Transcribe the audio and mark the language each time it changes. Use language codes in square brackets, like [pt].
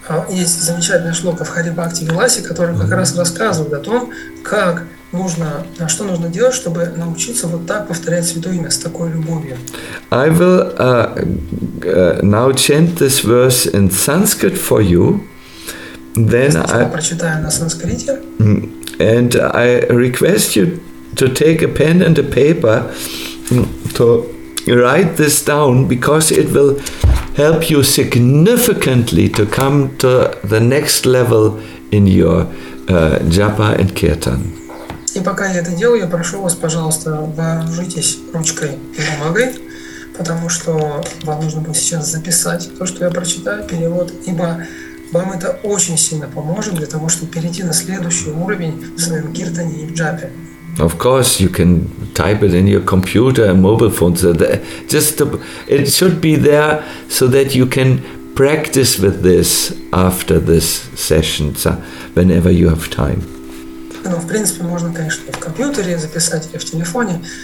[ru] Есть замечательная шлока в Хари Бхакти Виласе, которая как раз рассказывает о том, как нужно, что нужно делать, чтобы научиться вот так повторять Святое Имя с такой любовью. [en] I will now chant this verse in Sanskrit for you. Then [ru] я прочитаю на санскрите. [en] And I request you to take a pen and a paper to write this down, because it will help you significantly to come to the next level in your japa and kirtan. [ru] И пока я это делаю, я прошу вас, пожалуйста, вооружитесь ручкой и бумагой, потому что вам нужно будет сейчас записать то, что я прочитаю, перевод, ибо вам это очень сильно поможет для того, чтобы перейти на следующий уровень в своем киртане и в джапе. [en] Of course, you can type it in your computer and mobile phone. So that just to, it should be there so that you can practice with this after this session, so whenever you have time. [ru] Ну, в принципе, можно, конечно, в компьютере записать или в телефоне.